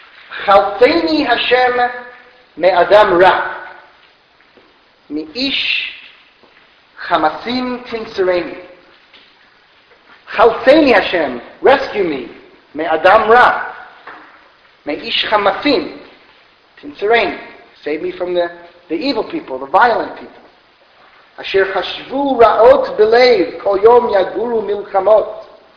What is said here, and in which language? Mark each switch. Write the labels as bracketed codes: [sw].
[he] חלצני השם מאדם רע, מאיש חמסים תנצרני. חלצני השם, [en] rescue me, [he] מאדם רע, מאיש חמסים תנצרני. [en] Save me from the evil people, the violent people. [he] אשר חשבו רעות בלב, כל יום יגורו מלחמות.